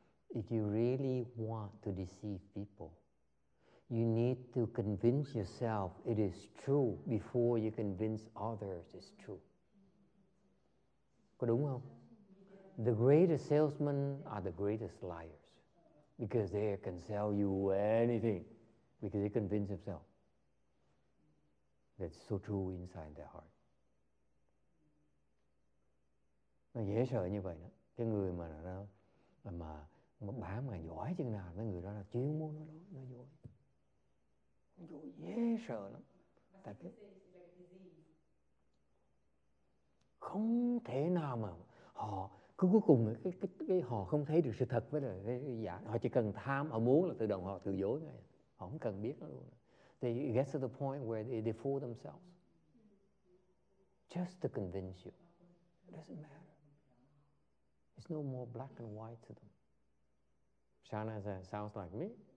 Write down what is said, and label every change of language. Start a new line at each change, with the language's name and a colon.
English: If you really want to deceive people, you need to convince yourself it is true before you convince others it's true.
Vietnamese: Có đúng không?
English: The greatest salesmen are the greatest liars because they can sell you anything because they convince themselves that's so true inside their heart.
Vietnamese: Nó dễ sợ như vậy đó. Cái người mà bám mà giỏi chừng nào, cái người đó là chuyên môn nó đó, nó dối. Dối dễ sợ lắm. Tại cái không thể nào mà họ cứ cuối cùng cái họ không thấy được sự thật với lại cái giả. Họ chỉ cần tham, họ muốn là tự động họ tự dối ngay. Họ không cần biết nó luôn.
English: They get to the point where they fool themselves. Just to convince you. It doesn't matter. It's no more black and white to them. Shana said, sounds like me.